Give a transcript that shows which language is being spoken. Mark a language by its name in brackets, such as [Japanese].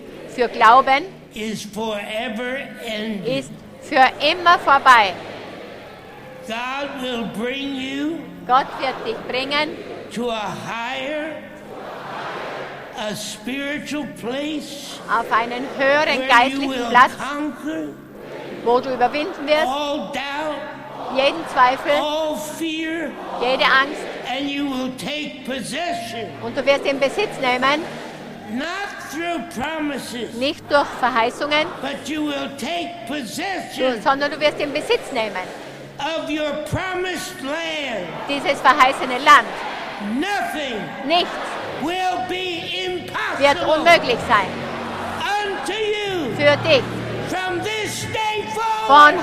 [German] für Glauben [English] is forever ending. [German] Ist für immer vorbei. [English] God will bring you [German] Gott wird dich bringen [English] to a higher, a spiritual place, [German] auf einen höheren geistlichen Platz, wo du überwinden wirst [English] all doubt, [German] jeden Zweifel, [English] all fear, [German] jede Angst, [English] and you will take possession. [German] Und du wirst in Besitz nehmen. [English] Not through promises, [German] nicht durch Verheißungen, [English] but you will take possession, [German] sondern du wirst in Besitz nehmen [English] of your promised land. [German] Dieses verheißene Land. [English] Nothing [German] nichts [English] will be impossible [German] wird unmöglich sein [English] unto you [German] für dich [English] from this day forward.